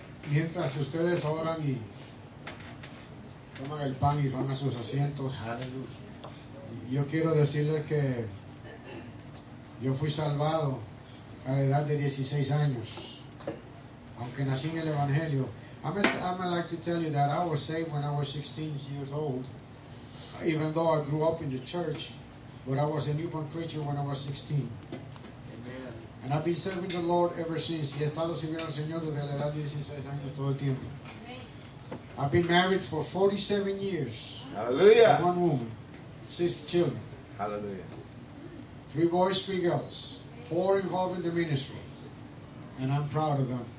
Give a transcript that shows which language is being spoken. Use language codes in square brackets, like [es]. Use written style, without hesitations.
[es] Mientras ustedes oran y toman el pan y van a sus asientos, yo quiero decirles que yo fui salvado a la edad de 16 años, aunque nací en el Evangelio. [en] I'm like to tell you that I was saved when I was 16 years old, even though I grew up in the church, but I was a newborn creature when I was 16. And I've been serving the Lord ever since. [es] He estado sirviendo al Señor desde la edad de 16 años todo el tiempo. [en] I've been married for 47 years. Hallelujah. With one woman, 6 children. Hallelujah. 3 boys, 3 girls. 4 involved in the ministry. And I'm proud of them.